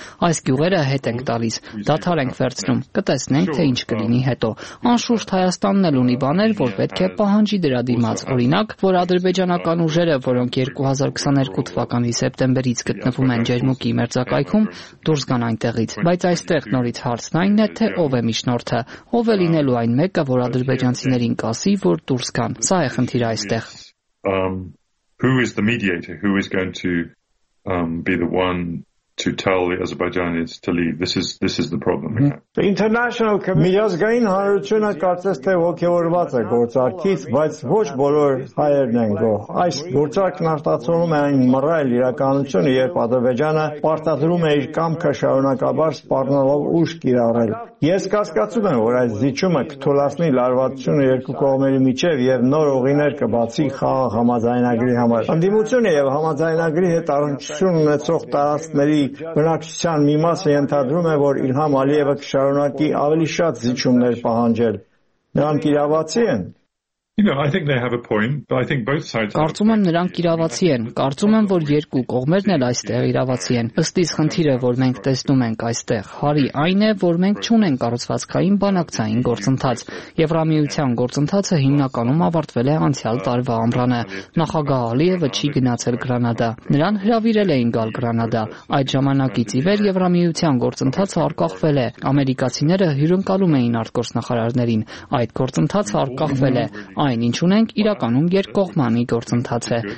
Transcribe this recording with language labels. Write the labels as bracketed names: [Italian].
[Armenian] Այս գյուղերը հետ ենք տալիս, դադար ենք վերցնում, կտեսնենք, թե ինչ կլինի հետո։ Անշուշտ Հայաստանն էլ ունի բաներ, որ պետք է պահանջի դրադիմաց, օրինակ, որ ադրբեջանական ուժերը, որոնք 2022 թվականի սեպտեմբերից գտնվում են Ջերմուկի մերձակայքում, դուրս գան այնտեղից։ Բայց այստեղ նորից հարցն այն է, թե ով է միջնորդը, ով է լինելու այն մեկը, որ ադրբեջանցիներին կասի, որ դուրս գան։ Սա է խնդիրը այստեղ։ [English] Who is the mediator? Who is going to be the one to tell the Azerbaijanis to leave? This is the problem. The international community has gain [Armenian] հանրությունը կարծես թե ոգևորված է գործարքից, բայց ոչ բոլոր հայերն են գոհ։ Այս գործարքն արտացոլում է այն մռայլ իրականությունը, երբ Ադրբեջանը պարտադրում է իր կամքը շարունակաբար սպառնալով ուժ կիրառել։ Ես կասկածում եմ, որ այս զիջումը կթուլացնի լարվածությունը երկու կողմերի միջև և նոր ուղիներ կբացի խաղաղ համաձայնագրի համար։ Ընդդիմությունը և համաձայնագրի հետ առնչություն ունեցող տարածքների բնակչության մի մասը ենթադրում է, որ Իլհամ Ալիևը կշարունակի ավելի շատ զիջումներ պահանջել։ Նրանք իրավացի են։ [English] You know, I think they have a point, but I think both sides. [Armenian] Կարծում եմ նրանք իրավացի են, կարծում եմ, որ երկու կողմերն էլ այստեղ իրավացի են։ Ըստ իս խնդիրը, որ մենք տեսնում ենք այստեղ, Հարի, այն է, որ մենք չունենք կառուցվածքային բանակցային գործընթաց։ Եվրամիության գործընթացը հիմնականում ավարտվել է անցյալ տարվա ամռանը։ Նախագահ Ալիևը չի գնացել Գրանադա, նրան հրավիրել էին գալ Գրանադա։ Այդ ժամանակից ի վեր Եվրամիության գործընթացը արկախվել է։ Ամերիկացիները հյուրընկալում էին արտգործնախարարներին, այդ գործընթացը արկախվել է։ Այն, ինչ ունենք, իրականում երկկողմանի գործընթաց է,